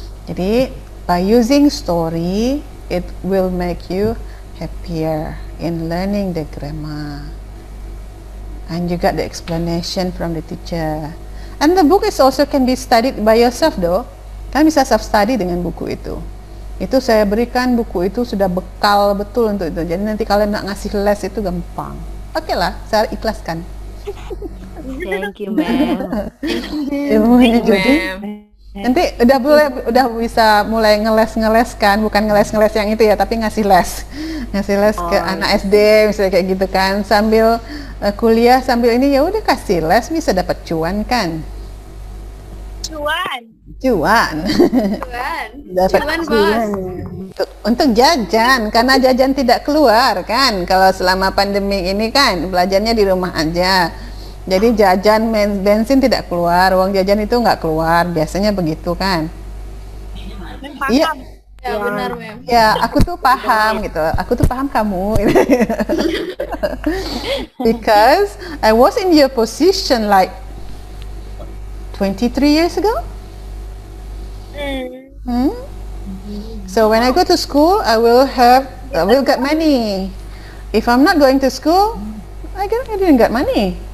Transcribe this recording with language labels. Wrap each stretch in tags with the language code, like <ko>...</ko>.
<id>Jadi</id> <en>by using story, it will make you happier in learning the grammar. And you got the explanation from the teacher. And the book is also can be studied by yourself though.</en> <id>Kalian bisa self study dengan buku itu. Itu saya berikan buku itu sudah bekal betul untuk itu. Jadi nanti kalian nak ngasih les itu gampang. Oke lah, saya ikhlaskan.</id> <en>Thank you, ma'am. Thank you, ma'am.</en> <id>Nanti udah bisa mulai ngeles-ngeles kan, bukan ngeles-ngeles yang itu ya, tapi ngasih les ke anak SD misalnya kayak gitu kan, sambil kuliah sambil ini ya udah kasih les, bisa dapat cuan kan? Cuan. Dapat cuan. Untung jajan, karena jajan tidak keluar kan, kalau selama pandemi ini kan belajarnya di rumah aja. Jadi jajan bensin tidak keluar, uang jajan itu nggak keluar, biasanya begitu kan? Paham. Ya, ya benar mem. Ya aku tuh paham gitu, aku tuh paham kamu.</id> <en>Because I was in your position like 23 years ago. So when I go to school, I will get money. If I'm not going to school, I didn't get money.</en>